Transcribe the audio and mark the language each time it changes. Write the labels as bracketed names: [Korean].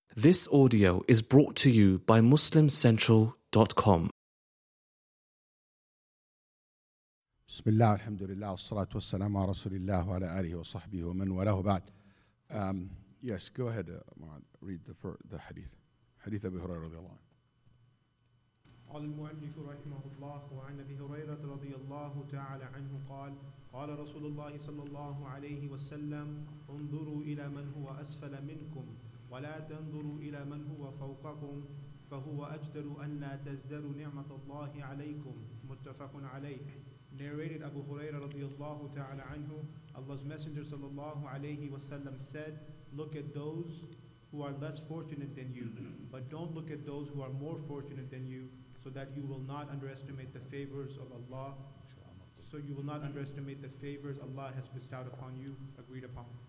[English] This audio is brought to you by MuslimCentral.com. [Arabic] بسم الله الحمد لله والصلاة والسلام على رسول الله وعلى آله وصحبه ومن وله بعد. [English] Yes, go ahead, read the hadith. Hadith Abu Huraira رضي الله عنه. [Arabic] قال المؤلف رحمه الله وعن أبي هريرة رضي الله تعالى عنه قال قال رسول الله صلى الله عليه وسلم انظروا إلى من هو أسفل منكم ولا تنظروا إلى من هو فوقكم فهو أجدر أن لا تزدروا نعمة الله عليكم. متفق عليه. [English] Narrated Abu Huraira radiyallahu ta'ala anhu, Allah's Messenger sallallahu alayhi wa sallam said, look at those who are less fortunate than you, but don't look at those who are more fortunate than you, so that you will not underestimate the favors of Allah, so you will not underestimate the favors Allah has bestowed upon you, agreed upon.